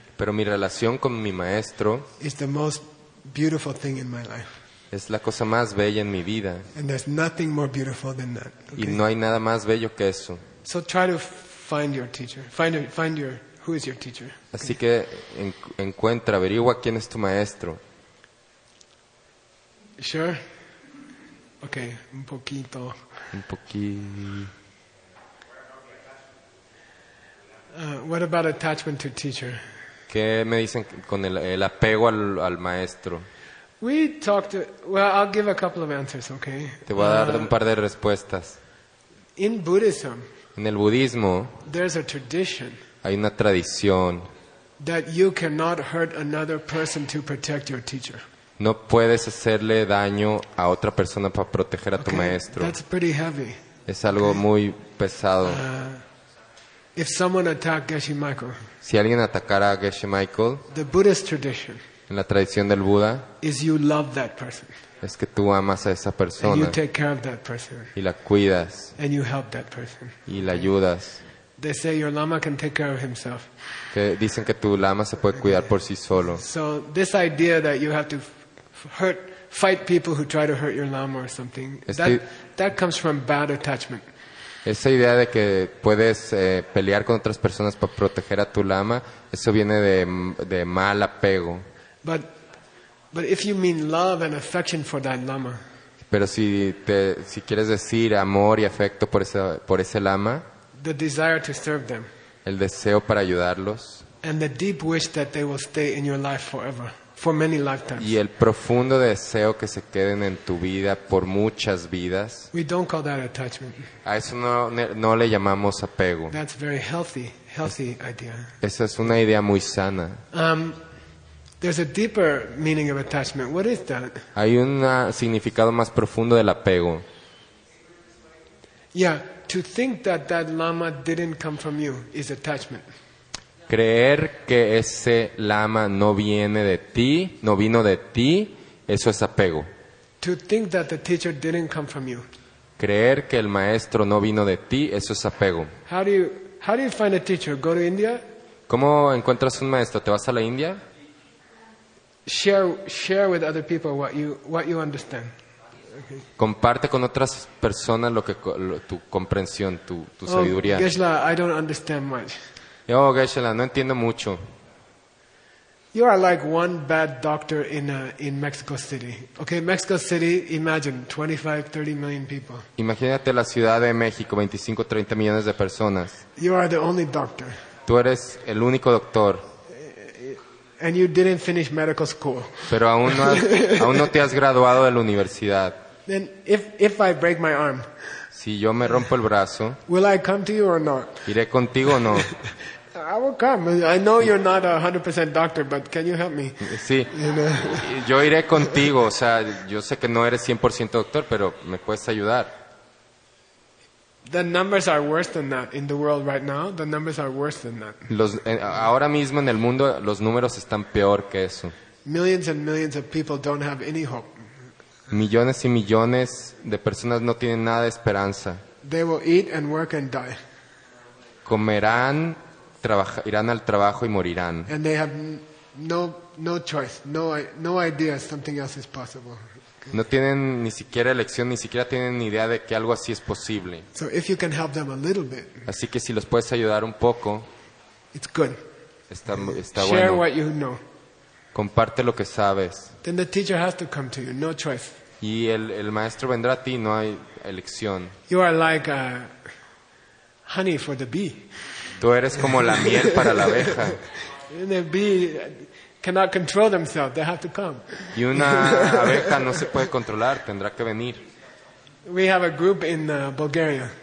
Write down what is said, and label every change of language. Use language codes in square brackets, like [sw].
[es] Pero mi relación con mi maestro [en] is the most beautiful thing in my life. [es] Es la cosa más bella en mi vida. [en] And there's nothing more beautiful than that. [es] Y no hay nada más bello que eso. [en] So try to find your teacher. Find your who is your teacher. [es] Así que encuentra, averigua quién es tu maestro. [en] Sure. Okay, [es] un poquito. Un poquito. [en] What about attachment to teacher? [es] ¿Qué me dicen con el apego al maestro? [en] We talked. Well, I'll give a couple of answers, okay? [es] Te voy a dar un par de respuestas. [en] In Buddhism. [es] En el budismo. [en] There's a tradition. [es] Hay una tradición. [en] That you cannot hurt another person to protect your teacher. [es] No puedes hacerle daño a otra persona para proteger a tu maestro. [en] That's pretty heavy. [es] Es algo muy pesado. [en] If someone attacked Geshe Michael. [es] Si alguien atacara a Geshe Michael. [en] The Buddhist tradition. [es] En la tradición del Buda. [en] Is you love that person. [es] Es que tú amas a esa persona. [en] And you take care of that person. [es] Y la cuidas. [en] And you help that person. [es] Y la ayudas. [en] They say your lama can take care of himself. [es] Que dicen que tu lama se puede cuidar por sí solo. [en] So this idea that you have to fight people who try to hurt your lama or something. That comes from bad attachment. [es] Esa idea de que puedes pelear con otras personas para proteger a tu lama, eso viene de mal apego. [en] But if you mean love and affection for that lama. [es] Pero si quieres decir amor y afecto por ese lama. [en] The desire to serve them. [es] El deseo para ayudarlos. [en] And the deep wish that they will stay in your life forever, for many lifetimes. [es] Y el profundo deseo que se queden en tu vida por muchas vidas. [en] We don't call that attachment. [es] A eso no le llamamos apego. [en] That's very healthy idea. [es] Esa es una idea muy sana. [en] There's a deeper meaning of attachment. What is that? [es] Hay un significado más profundo del apego. [en] Yeah, to think that lama didn't come from you is attachment. [es] Creer que ese lama no viene de ti, no vino de ti, eso es apego. [en] To think that the teacher didn't come from you. [es] Creer que el maestro no vino de ti, eso es apego. [en] How do you find a teacher? Go to India? [es] ¿Cómo encuentras un maestro? ¿Te vas a la India? [en] Share with other people what you understand. [es] Comparte con otras personas lo que tu comprensión, tu sabiduría. [en] Oh, Geshe-la, I don't understand much. [es] Oh, Geshe-la, no entiendo mucho. [en] You are like one bad doctor in Mexico City. Okay, Mexico City, imagine 25-30 million people. [es] Imagínate la Ciudad de México, 25-30 millones de personas. [en] You are the only doctor. [es] Tú eres el único doctor. [en] And you didn't finish medical school. [es] Pero aún no te has graduado de la universidad. [en] Then if I break my arm. [es] Si yo me rompo el brazo. [en] Will I come to you or not? [es] ¿Iré contigo o no? [en] I will come. I know you're not a 100% doctor, but can you help me? [es] Sí. [en] You know? [es] Yo iré contigo, o sea, yo sé que no eres 100% doctor, pero me puedes ayudar. [en] The numbers are worse than that in the world right now. The numbers are worse than that. [es] Ahora mismo en el mundo los números están peor que eso. [en] Millions and millions of people don't have any hope. [es] Millones y millones de personas no tienen nada de esperanza. [en] They will eat and work and die. [es] Comerán, irán al trabajo y morirán. [en] And they have no choice, no idea something else is possible. [es] No tienen ni siquiera elección, ni siquiera tienen ni idea de que algo así es posible. [en] So if you can help them a little bit, [es] así que si los puedes ayudar un poco, [en] it's good. [es] Está [en] share [es] bueno. [en] What you know. [es] Comparte lo que sabes. [en] Then the teacher has to come to you, no choice. [es] Y el maestro vendrá a ti, no hay elección. [en] You are like honey for the bee. [es] Tú eres como la miel para la abeja. [en] And the bee cannot control themselves. They have to come. [es] Y una abeja no se puede controlar. Tendrá que venir. [en] We have a group in Bulgaria.